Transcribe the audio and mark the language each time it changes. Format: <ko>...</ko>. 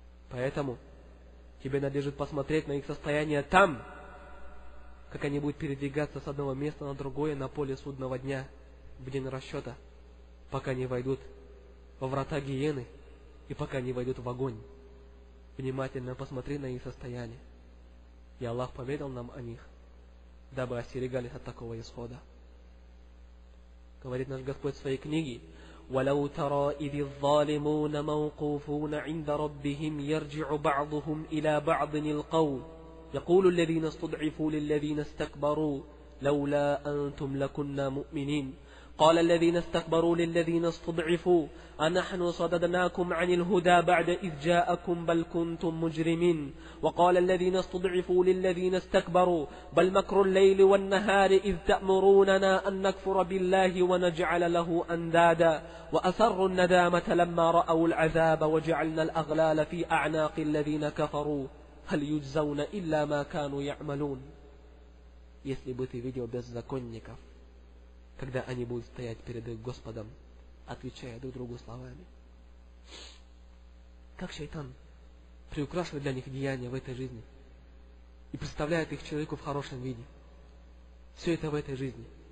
<ru>Поэтому тебе надлежит посмотреть на их состояние там, как они будут передвигаться с одного места на другое на поле судного дня в день расчета, пока не войдут во врата гиены и пока не войдут в огонь. Внимательно посмотри на их состояние. И Аллах поведал нам о них, дабы остерегались от такого исхода. Говорит наш Господь в своей книге:</ru> <ar>ولو ترى إذ الظالمون موقوفون عند ربهم يرجع بعضهم إلى بعض القول يقول الذين استضعفوا للذين استكبروا لولا أنتم لكنا مؤمنين قال الذين استكبروا للذين استضعفوا أنحن صددناكم عن الهدى بعد إذ جاءكم بل كنتم مجرمين وقال الذين استضعفوا للذين استكبروا بل مكر الليل والنهار إذ تأمروننا أن نكفر بالله ونجعل له أندادا وأسروا الندامة لما رأوا العذاب وجعلنا الأغلال في أعناق الذين كفروا هل يجزون إلا ما كانوا يعملون.</ar> <ru>Если бы ты видел беззаконников, когда они будут стоять перед их Господом, отвечая друг другу словами. Как шайтан приукрашивает для них деяния в этой жизни и представляет их человеку в хорошем виде. Все это в этой жизни.</ru>